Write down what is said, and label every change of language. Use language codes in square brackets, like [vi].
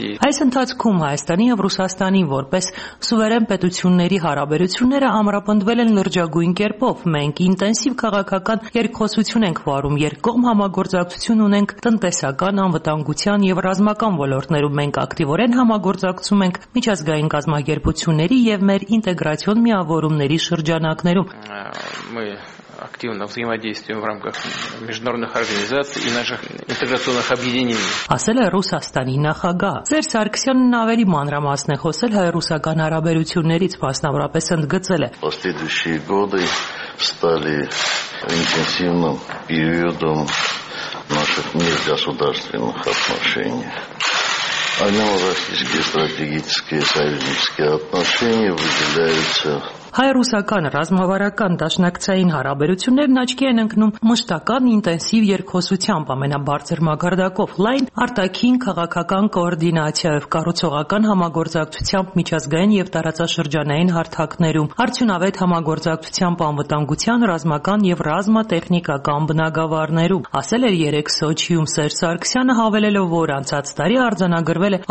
[hy] Այս ընթացքում Հայաստանի և Ռուսաստանի որպես սուվերեն պետությունների հարաբերությունները ամրապնդվել են լրջագույն կերպով։ Մենք ինտենսիվ քաղաքական երկխոսություն ենք վարում, երկկողմ համագործակցություն ունենք տնտեսական, անվտանգության և ռազմական ոլորտներում։ Մենք ակտիվորեն համագործակցում ենք միջազգային կազմակերպությունների և մեր ինտեգրացիոն միավորումների շրջանակներում։ [ru] Активно взаимодействуем в рамках международных организаций и наших интеграционных объединений. [hy] Ասել է Ռուսաստանի նախագահ Սերժ Սարգսյանն ավելի մանրամասն է խոսել հայ-ռուսական հարաբերություններից, մասնավորապես ընդգծել է. [ru] Последующие годы стали интенсивным периодом наших межгосударственных отношений. Армяно-российские стратегические союзнические отношения выделяются [hy] Հայ-ռուսական ռազմավարական դաշնակցային հարաբերություններն աչքի են ընկնում մշտական ինտենսիվ երկխոսությամբ ամենաբարձր մակարդակով, լայն արտաքին քաղաքական կոորդինացիայով, կառուցողական համագործակցությամբ միջազգային և տարածաշրջանային հարթակներում, արդյունավետ համագործակցությամբ անվտանգության, ռազմական և ռազմատեխնիկական բնագավառներում, ասել էր երեկ Սոչիում Սերժ Սարգսյանը, հավելելով, որ անցած տարի արձանագրվել է